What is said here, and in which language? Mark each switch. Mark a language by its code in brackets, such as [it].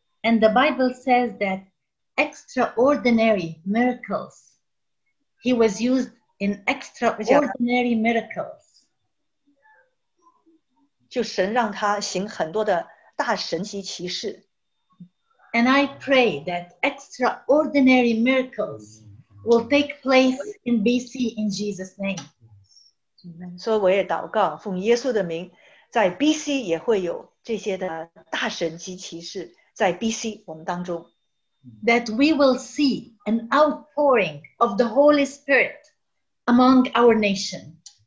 [en] And the Bible says that extraordinary miracles, he was used in extraordinary miracles. [zh] 就神让他行很多的大神奇奇事。 [en] And I pray that extraordinary miracles will take place in BC in Jesus' name. [zh] 所以我也祷告，奉耶稣的名，在BC也会有这些的大神奇奇事，在BC我们当中。 [en] That we will see an outpouring of the Holy Spirit among our nation.